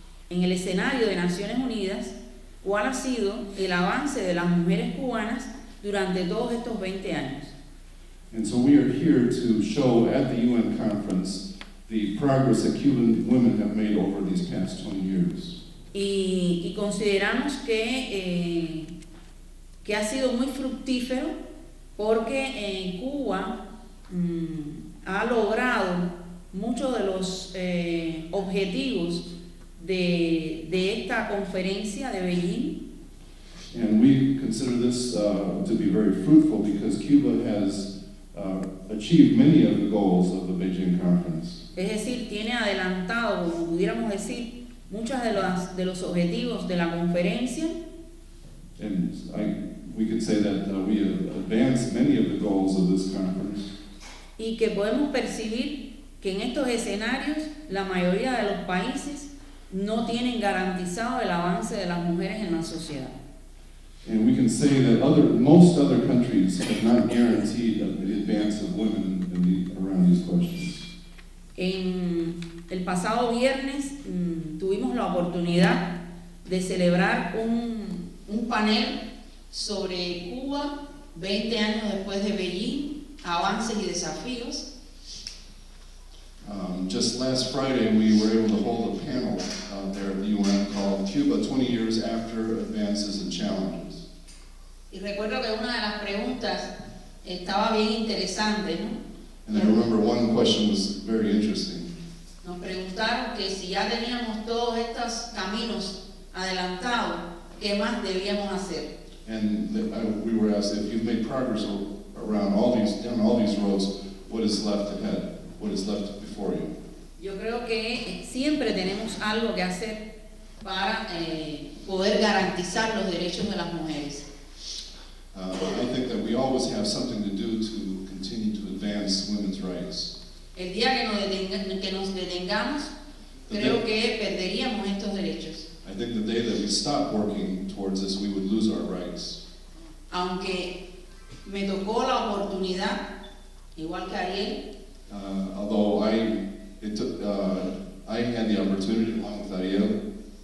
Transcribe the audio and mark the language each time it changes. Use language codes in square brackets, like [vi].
[es] En el escenario de Naciones Unidas, ¿cuál ha sido el avance de las mujeres cubanas durante todos estos 20 años? [en] And so we are here to show at the UN conference the progress that Cuban women have made over these past 20 years. [es] Y consideramos que ha sido muy fructífero porque en Cuba ha logrado muchos de los objetivos de esta conferencia de Beijing. [en] And we consider this to be very fruitful because Cuba has achieved many of the goals of the Beijing conference. [es] Es decir, tiene adelantado, como pudiéramos decir, muchas de los objetivos de la conferencia. [en] And we could say that we have advanced many of the goals of this conference. [es] Y que podemos percibir que en estos escenarios la mayoría de los países no tienen garantizado el avance de las mujeres en la sociedad. [en] And we can say that most other countries have not guaranteed the advance of women around these questions. [es] En el pasado viernes tuvimos la oportunidad de celebrar un panel sobre Cuba 20 años después de Beijing, avances y desafíos. [en] Just last Friday we were able to hold a panel out there at the UN called Cuba 20 Years After Advances and Challenges. [es] Y recuerdo que una de las preguntas estaba bien interesante, ¿no? [en] And I remember one question was very interesting. [es] Nos preguntaron que si ya teníamos todos estos caminos adelantados, ¿qué más debíamos hacer? [en] And we were asked, if you've made progress around all these roads, what is left ahead? What is left before you? [es] Yo creo que siempre tenemos algo que hacer para poder garantizar los derechos de las mujeres. [en] I think that we always have something to do to continue to advance women's rights. [es] El día que nos detengamos, creo que perderíamos estos derechos. [en] I think the day that we stop working towards this, we would lose our rights. [es] Aunque me tocó la oportunidad, igual que Ariel. [en] Although I had the opportunity, along with Ariel,